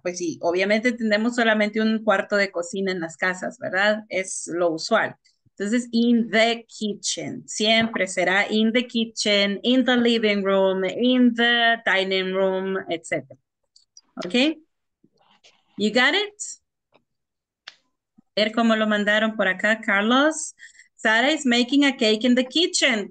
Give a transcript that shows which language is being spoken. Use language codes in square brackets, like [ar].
[es] Pues sí, obviamente tenemos solamente un cuarto de cocina en las casas, ¿verdad? Es lo usual. Entonces, [en] in the kitchen. [es] Siempre será [en] in the kitchen, in the living room, in the dining room, [es] etc. [en] ¿Ok? You got it? [es] A ver cómo lo mandaron por acá, Carlos. [en] Sara is making a cake in the kitchen.